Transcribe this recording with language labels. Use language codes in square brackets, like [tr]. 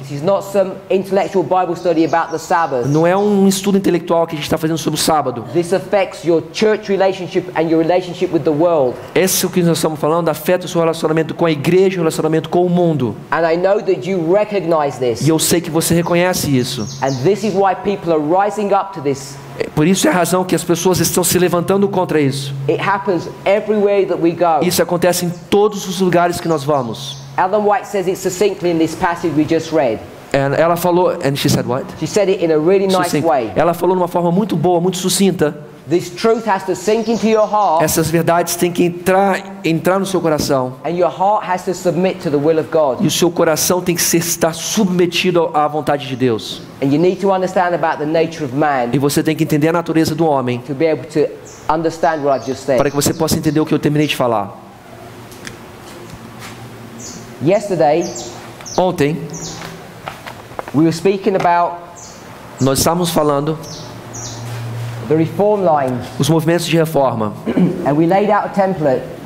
[en] This is not some intellectual Bible study about the Sabbath. [pt] Não é um estudo intelectual que a gente está fazendo sobre o sábado. [en] This affects your church relationship and your relationship with the world. [pt] Esse é o que nós estamos falando, afeta o seu relacionamento com a igreja, o relacionamento com o mundo. [en] And I know that you recognize this. [pt] E eu sei que você reconhece isso. [en] And this is why people are rising up to this. [pt] Por isso é a razão que as pessoas estão se levantando contra isso. [en] It happens everywhere that we go. [pt] Isso acontece em todos os lugares que nós vamos. [en] Ellen White says it succinctly in this passage we just read. And [pt] ela falou, [en] and she said what? She said it in a really nice way. [pt] Ela falou de uma forma muito boa, muito sucinta. [en] This truth has to sink into your heart. [pt] Essas verdades têm que entrar no seu coração. [en] And your heart has to submit to the will of God. [pt] E o seu coração tem que estar submetido à vontade de Deus. [en] And you need to understand about the nature of man. [pt] E você tem que entender a natureza do homem. [en] To be able to understand what I've just said. [pt] Para que você possa entender o que eu terminei de falar. [en] Yesterday, [pt] ontem, [en] we were speaking about, [pt] nós estávamos falando, [en] the reform line. [pt] Os movimentos de reforma. [en] And we laid out a template.